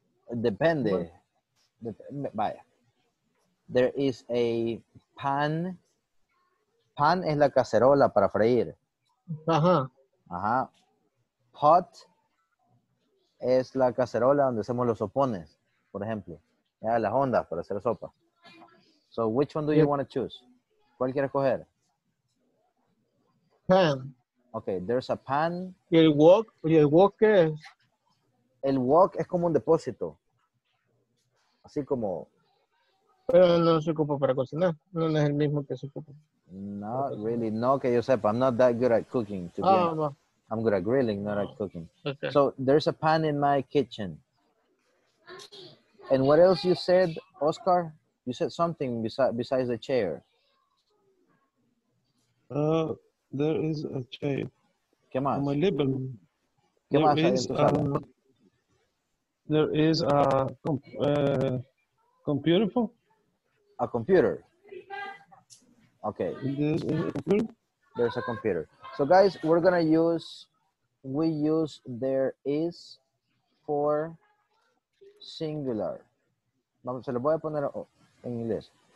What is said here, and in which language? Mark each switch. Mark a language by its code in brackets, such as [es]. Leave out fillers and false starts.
[es] Depende. Vaya. [en] There is a pan. [es] Pan es la cacerola para freír. Ajá. Ajá. Pot es la cacerola donde hacemos los sopones, por ejemplo. Ya, las ondas para hacer sopa. [en] So, which one do you want to choose? [es] ¿Cuál quieres coger? [en] Pan. Okay, there's a pan. [es] ¿Y el wok? ¿Y el wok qué es? El wok es como un depósito. Así como... Pero no se ocupa para cocinar. No es el mismo que se ocupa. [en] Not really. [es] No, que yo sepa. [en] I'm not that good at cooking. To be honest. I'm good at grilling, not at cooking. Okay. So there's a pan in my kitchen. And what else you said, Oscar? You said something besides the chair. There is a chair. [es] ¿Qué más? [en] In my living room. [es] ¿Qué [en] there, [es] más [en] is, there is a computer. A computer. Okay. There's a computer. There's a computer. So guys, we're gonna use there is for singular. [es] Vamos, se lo voy a poner en inglés.